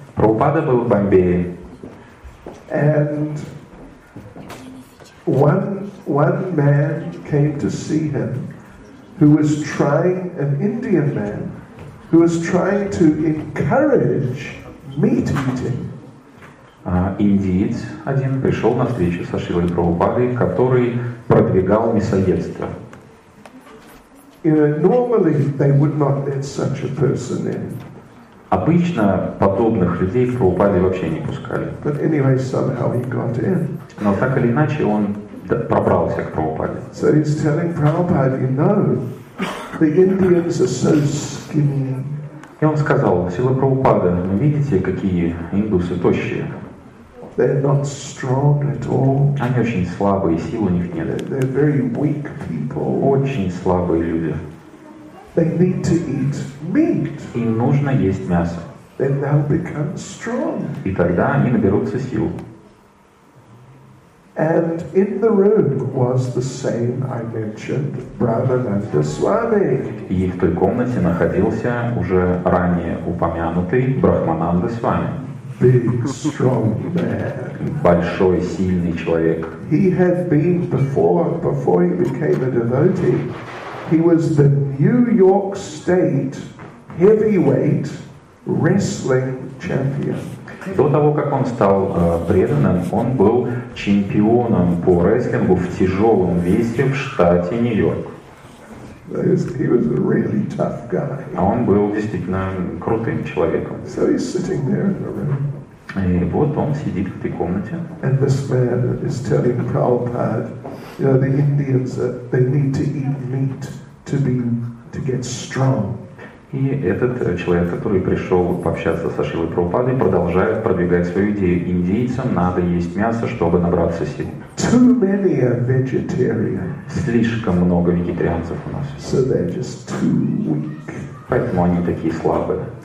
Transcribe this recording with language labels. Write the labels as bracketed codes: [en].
[ru] Prabhupada был в Бомбее. [en] And one man came to see him, who was trying, an Indian man, who was trying to encourage meat eating. [ru] Индиец один пришел на встречу со Шрилой Прабхупадой, который продвигал мясоедство. [en] Normally they would not let such a person in. [ru] Обычно подобных людей в Прабхупаде вообще не пускали. [en] But anyway, somehow he got in. [ru] Но так или иначе он пробрался к Прабхупаде. [en] So he's telling Prabhupada, you know, the Indians are so skinny. [ru] И он сказал: Шрила Прабхупада, вы видите, какие индусы тощие. [en] They're not strong at all. [ru] Они очень слабые, сил у них нет. [en] They're very weak people. [ru] Очень слабые люди. [en] They need to eat meat. [ru] Им нужно есть мясо. [en] Then they'll become strong. [ru] И тогда они наберутся сил. [en] And in the room was the same I mentioned, Brahmananda Swami. [ru] И в той комнате находился уже ранее упомянутый Брахмананда Свами. [en] Big, strong man. [ru] Большой, сильный человек. [en] He had been before he became a devotee. He was the New York State heavyweight wrestling champion. [ru] До того как он стал преданным, он был чемпионом по рестлингу в тяжелом весе в штате Нью-Йорк. [en] He was a really tough guy. [ru] А он был действительно крутым человеком. [en] So he's sitting there in the room. [ru] И вот он сидит в этой комнате. [en] And this man is telling Prabhupada, you know, the Indians they need to eat meat to get strong. [ru] И этот человек, который пришел пообщаться со Шрилой Прабхупадой, продолжает продвигать свою идею: индейцам надо есть мясо, чтобы набраться сил. [en] Too many are vegetarian. [ru] Слишком много вегетарианцев у нас. [en] So they're just too weak. [ru] Поэтому они такие слабые.